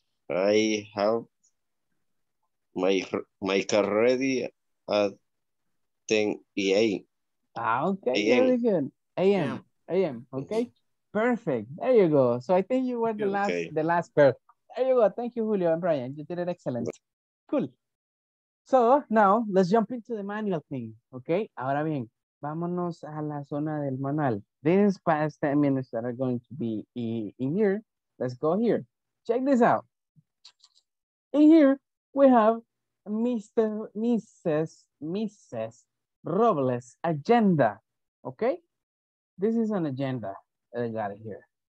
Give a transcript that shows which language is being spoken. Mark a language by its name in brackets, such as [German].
[English] I have my car ready at 10 a.m. Okay, very good. A.m. Okay, perfect. There you go. So I think you were the last pair. There you go. Thank you, Julio and Brian. You did it excellent. Cool. So now let's jump into the manual thing. Okay. [Spanish] Ahora bien, vámonos a la zona del manual. [English] These past 10 minutes that are going to be in here. Let's go here. Check this out. In here, we have Mrs. Robles' agenda. Okay. This is an agenda that I got here.